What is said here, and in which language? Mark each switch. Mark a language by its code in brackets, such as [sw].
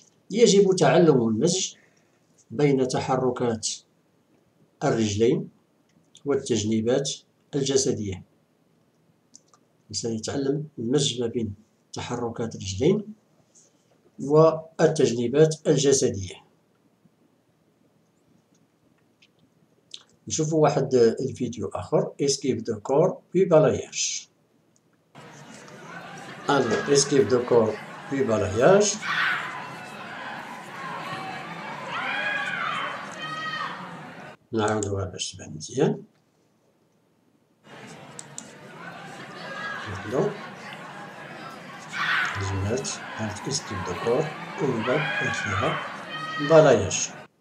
[ar] يجب تعلم المزج بين تحركات الرجلين والتجنيبات الجسدية. الإنسان يتعلم المزج ما بين تحركات الرجلين والتجنيبات الجسدية. نشوفوا واحد الفيديو آخر. [fr] Esquive de corps puis balayage. Esquive de corps puis balayage. [ar] نعاودوها باش تبان مزيان. نعاودو جملات هاد كيستيب دكور ونبدا فيها بلاياج.